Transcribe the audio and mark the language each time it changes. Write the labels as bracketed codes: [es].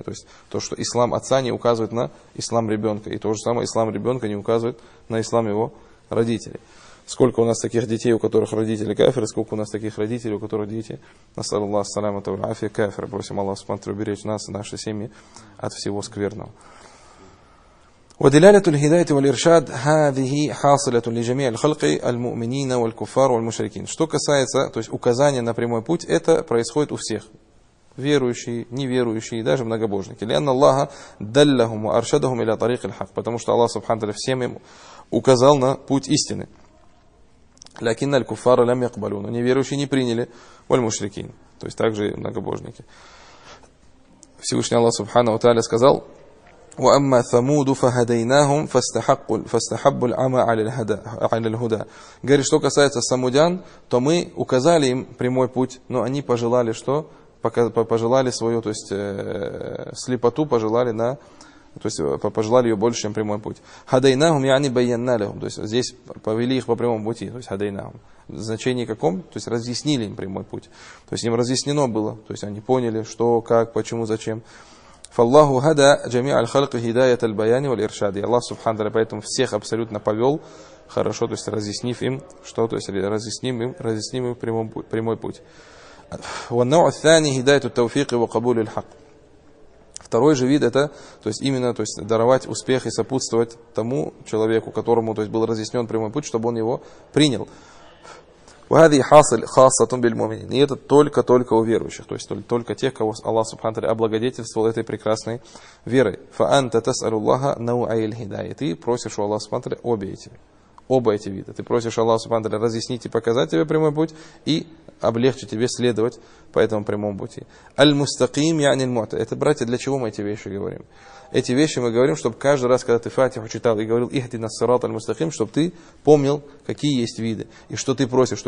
[ru] То есть то, что ислам отца не указывает на ислам ребенка. И то же самое ислам ребенка не указывает на ислам его родителей. Сколько у нас таких детей, у которых родители кафиры, сколько у нас таких родителей, у которых дети, [ar] ассаляму алейкум ва рахматуллахи, [ru] кафиры. Просим Аллаха субхану ва тааля уберечь нас и наши семьи от всего скверного. [ar] ودلالة الهداية والإرشاد هذه حاصلة لجميع الخلق المؤمنين والكفار والمشركين. [ru] Что касается, то есть указание на прямой путь, это происходит у всех, верующие, неверующие, даже многобожники. [ar] لأن الله دلهم وأرشدهم إلى طريق الحق. [ru] Потому что Аллах Субхану Тааля всем им указал на путь истины. [ar] لكن الكفار لم يقبلون. [ru] Неверующие не приняли. [ar] والمشركين. [ru] То есть также многобожники. Всевышний Аллах Субхану Тааля сказал: [ar] وَأَمَّا ثَمُودُ فَهَدَيْنَاهُمْ فَاسْتَحَبُّ الْعَمَى عَلَى الْهُدَى. [ru] Говорит, что касается самудян, то мы указали им прямой путь, но они пожелали что? Пожелали свою, то есть слепоту пожелали на, то есть пожелали ее больше, чем прямой путь. [ar] هَدَيْنَاهُمْ يَعْنِي بَيَّنَّا لَهُمْ. [ru] То есть здесь повели их по прямому пути, то есть هَدَيْنَاهُمْ. В значении каком? То есть разъяснили им прямой путь. То есть им разъяснено было, то есть они поняли, что, как, почему, зачем. [ar] فالله هدى جميع الخلق هداية البيان والإرشاد. [ru] Аллах Субхану Тааля поэтому всех абсолютно повел, хорошо, то есть разъяснив им, что, то есть разъясним им прямой путь. [ar] والنوع الثاني هداية التوفيق وقبول الحق. [ru] Второй же вид это, то есть именно, то есть даровать успех и сопутствовать тому человеку, которому, то есть был разъяснен прямой путь, чтобы он его принял. [ar] وهذه حاصل خاصة بالمؤمنين. [ru] И это только у верующих, то есть только тех, кого Аллах Субхану Тааля облагодетельствовал этой прекрасной верой. [ar] فأنت تسأل الله نوع الهداية. [ru] Ты просишь у Аллаха Субхану Тааля оба эти вида. Ты просишь Аллаха Субхану Тааля разъяснить и показать тебе прямой путь и облегчить тебе следовать по этому прямому пути. [ar] المستقيم يعني المعتدل. [ru] Это, братья, для чего мы эти вещи говорим? Эти вещи мы говорим, чтобы каждый раз, когда ты Фатиху читал и говорил [ar] «Ихдинас сират аль-мустахим», [ru] чтобы ты помнил, какие есть виды и что ты просишь.